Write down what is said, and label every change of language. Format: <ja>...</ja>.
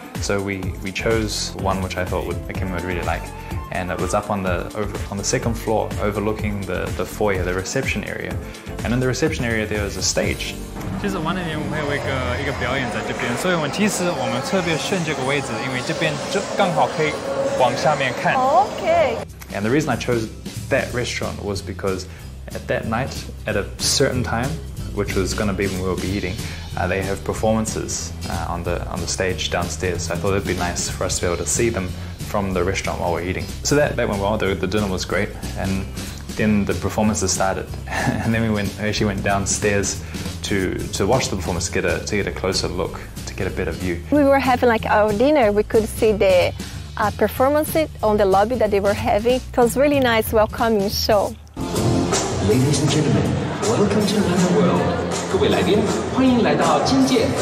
<en>So we chose one which I thought Akemi would really like. And it was up on the second floor, overlooking the foyer, the reception area. And in the reception area, there was a stage.</en> <zh>其实晚点我们会有一个表演在这边，所以我们特别选这个位置，因为这边就刚好可以往下面看。</zh> <en>Okay. And the reason I chose. That restaurant was because at that night, at a certain time, which was going to be when we would be eating, they have performances on the stage downstairs. So I thought it'd be nice for us to be able to see them from the restaurant while we're eating. So that went well. The dinner was great, and then the performances started, and then we actually went downstairs to watch the performance, to get a closer look, to get a better view. We were having like our dinner. We could see the. Performance it on the lobby that they were having. It was really nice welcoming show. Ladies and gentlemen, Welcome to another world.</en> <zh>各位来宾，欢迎来到金界。</zh>